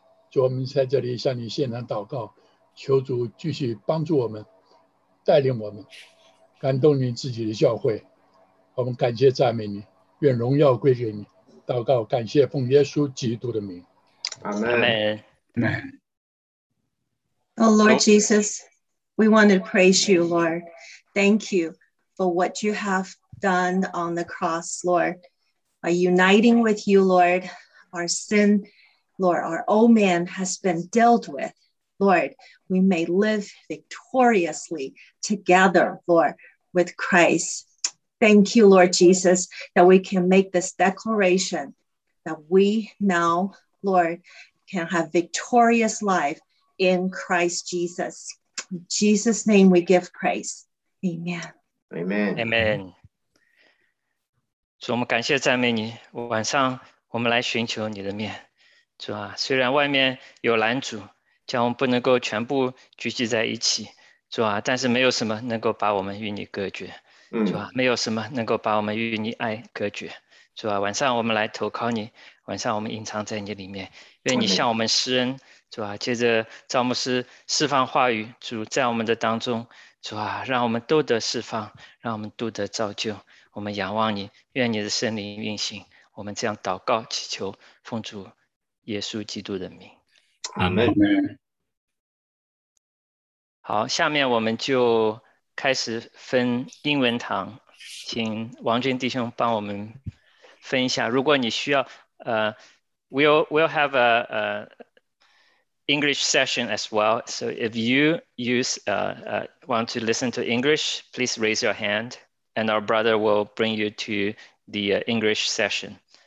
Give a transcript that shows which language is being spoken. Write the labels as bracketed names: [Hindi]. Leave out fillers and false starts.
[Chinese] 主，我们在这里向你献上祷告，求主继续帮助我们，带领我们，感动你自己的教会。我们感谢赞美你，愿荣耀归给你。祷告感谢奉耶稣基督的名，阿们。 [English] Oh Lord Jesus, we want to praise you, Lord. Thank you for what you have done on the cross, Lord. By uniting with you, Lord, our sin, Lord, our old man has been dealt with. Lord, we may live victoriously together, Lord, with Christ. Thank you, Lord Jesus, that we can make this declaration that we now, Lord, can have victorious life in Christ Jesus. In Jesus' name we give praise. Amen. Amen. Amen. [Chinese] 主，我们感谢赞美你，晚上我们来寻求你的面。主啊，虽然外面有拦阻，叫我们不能够全部聚集在一起，主啊，但是没有什么能够把我们与你隔绝，主啊，没有什么能够把我们与你爱隔绝，主啊，晚上我们来投靠你，晚上我们隐藏在你里面，愿你向我们施恩，主啊，借着赵牧师释放话语，主在我们的当中，主啊，让我们都得释放，让我们都得造就，我们仰望你，愿你的圣灵运行，我们这样祷告祈求，奉主耶稣基督的名，阿们。好，下面我们就开始分英文堂，请王军弟兄帮我们分一下。如果你需要 [English] we'll have a English session as well. So if you want to listen to English, please raise your hand and our brother will bring you to the English session.